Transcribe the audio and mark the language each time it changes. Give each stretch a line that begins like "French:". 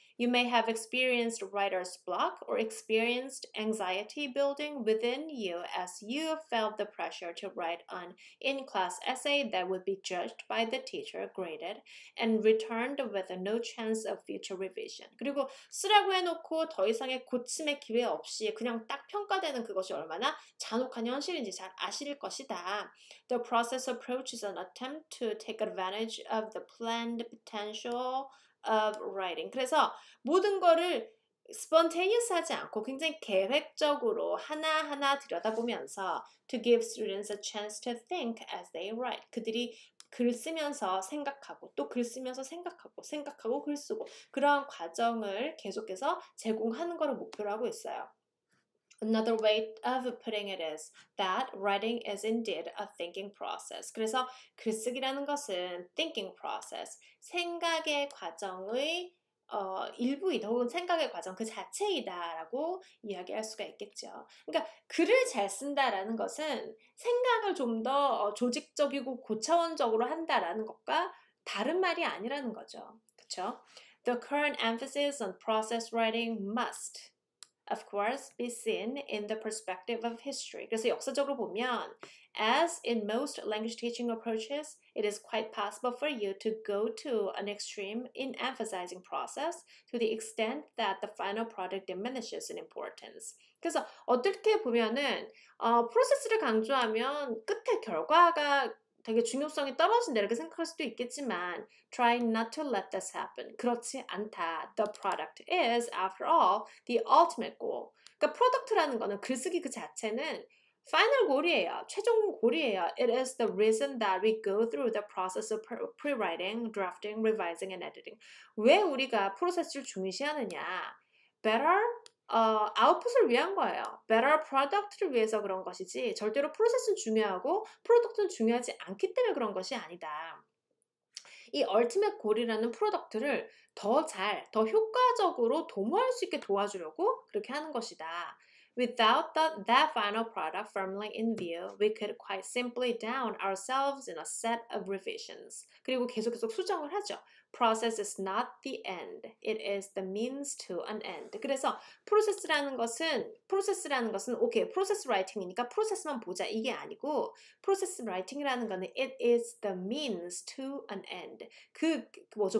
English: You may have experienced writer's block or experienced anxiety building within you as you felt the pressure to write an in-class essay that would be judged by the teacher, graded, and returned with no chance of future revision.
Korean: 그리고 쓰라고 해놓고 더 이상의 고침의 기회 없이 그냥 딱 평가되는 그것이 얼마나 잔혹한 현실인지 잘 아실 것이다.
English: The process approach is an attempt to take advantage of the planned potential of writing.
Korean: 그래서 모든 거를 spontaneous 하지 않고 굉장히 계획적으로 하나하나 들여다보면서
English: to give students a chance to think as they write.
Korean: 그들이 글 쓰면서 생각하고 또글 쓰면서 생각하고 생각하고 글 쓰고 그러한 과정을 계속해서 제공하는 거를 목표로 하고 있어요.
English: Another way of putting it is that writing is indeed a thinking process.
Korean: 그래서 글쓰기라는 것은 thinking process, 생각의 과정의 일부이다 혹은 생각의 과정 그 자체이다라고 이야기할 수가 있겠죠. 그러니까 글을 잘 쓴다라는 것은 생각을 좀더 조직적이고 고차원적으로 한다라는 것과 다른 말이 아니라는 거죠. 그렇죠?
English: The current emphasis on process writing must of course, be seen in the perspective of history.
Korean: 그래서 역사적으로 보면,
English: as in most language teaching approaches, it is quite possible for you to go to an extreme in emphasizing process to the extent that the final product diminishes in importance.
Korean: 그래서 어떻게 보면은 프로세스를 강조하면 끝에 결과가 되게 중요성이 떨어진다 이렇게 생각할 수도 있겠지만,
English: try not to let this happen.
Korean: 그렇지 않다.
English: The product is, after all, the ultimate goal.
Korean: 그러니까 product라는 거는 글쓰기 그 자체는 final goal이에요. 최종 goal이에요.
English: It is the reason that we go through the process of pre-writing, drafting, revising, and editing.
Korean: 왜 우리가 프로세스를 중시하느냐? Output을 위한 거예요. Better product를 위해서 그런 것이지, 절대로 process는 중요하고, product는 중요하지 않기 때문에 그런 것이 아니다. 이 ultimate goal이라는 product를 더 잘, 더 효과적으로 도모할 수 있게 도와주려고 그렇게 하는 것이다.
English: Without that final product firmly in view, we could quite simply down ourselves in a set of revisions.
Korean: 그리고 계속 수정을 하죠.
English: Process is not the end. It is the means to an end.
Korean: 그래서 프로세스라는 것은 오케이, 프로세스 라이팅이니까 프로세스만 보자 이게 아니고 프로세스 라이팅이라는 것은
English: it is the means to an end.
Korean: 그 뭐죠?